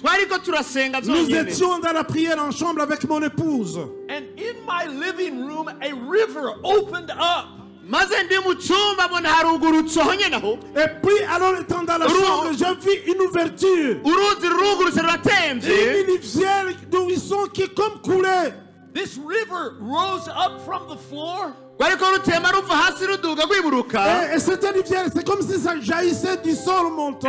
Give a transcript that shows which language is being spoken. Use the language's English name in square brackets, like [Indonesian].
[French] Nous étions dans la prière ensemble avec mon épouse. [English] And in my living room, a river opened up. [French] Et puis alors étant dans la chambre, j'ai vu une ouverture. Une rivière de ruisseau qui comme coulait. [English] This river rose up from the floor. [French] Cette rivière, c'est comme si ça jaillissait du sol montant.